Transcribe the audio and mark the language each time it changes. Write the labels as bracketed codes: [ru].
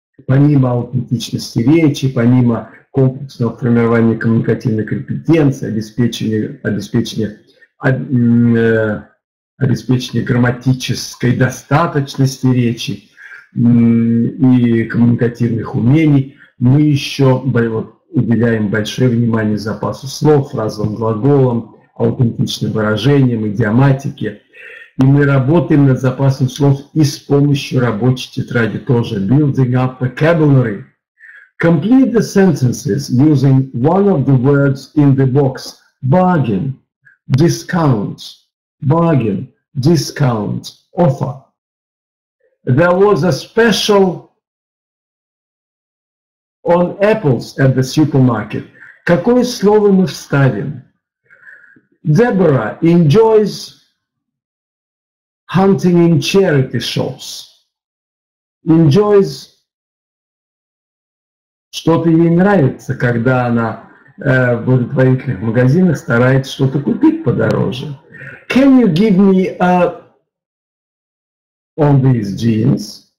[ru] Помимо аутентичности речи, помимо комплексного формирования коммуникативной компетенции, обеспечения грамматической достаточности речи и коммуникативных умений, мы еще уделяем большое внимание запасу слов, фразовым глаголам, аутентичным выражениям, идиоматике. И мы работаем над запасом слов и с помощью рабочей тетради тоже. [en] Building up vocabulary. Complete the sentences using one of the words in the box. Bargain, discount. Bargain, discount, offer. There was a special on apples at the supermarket. [ru] Какое слово мы вставим? [en] Deborah enjoys hunting in charity shops. Enjoys. [ru] Что-то ей нравится, когда она в благотворительных магазинах старается что-то купить подороже. [en] Can you give me a on these jeans?